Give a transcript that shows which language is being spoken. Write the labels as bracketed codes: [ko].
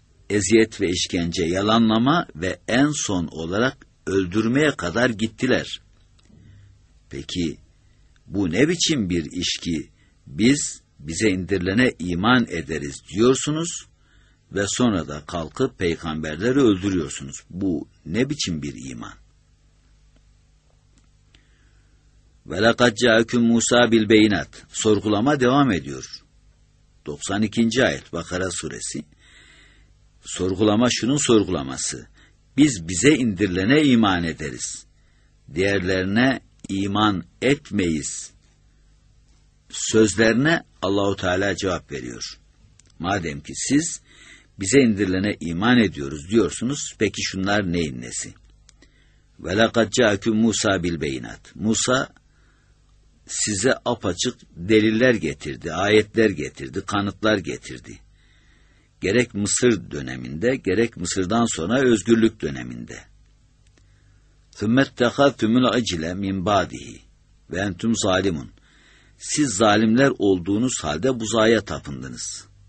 [tr] Eziyet ve işkence, yalanlama ve en son olarak öldürmeye kadar gittiler. Peki bu ne biçim bir iş ki biz bize indirilene iman ederiz diyorsunuz ve sonra da kalkıp peygamberleri öldürüyorsunuz. Bu ne biçim bir iman? [ar] وَلَقَدْ جَاءَكُمْ مُوسَى بِالْبَيْنَاتِ [tr] Sorgulama devam ediyor. 92. ayet Bakara suresi. Sorgulama şunun sorgulaması. Biz bize indirilene iman ederiz. Diğerlerine iman etmeyiz. Sözlerine Allahu Teala cevap veriyor. Madem ki siz bize indirilene iman ediyoruz diyorsunuz, peki şunlar neyin nesi? [ar] وَلَقَدْ جَاءَكُمْ مُوسَى بِالْبَيْنَاتِ [tr] Musa size apaçık deliller getirdi, ayetler getirdi, kanıtlar getirdi. Gerek Mısır döneminde, gerek Mısır'dan sonra özgürlük döneminde. [ar] ثُمَّتْ تَخَذْتُمُ الْعَجِلَ مِنْ بَعْدِهِ وَاَنْتُمْ ظَالِمُونَ [tr] Siz zalimler olduğunuz halde buzağa tapındınız.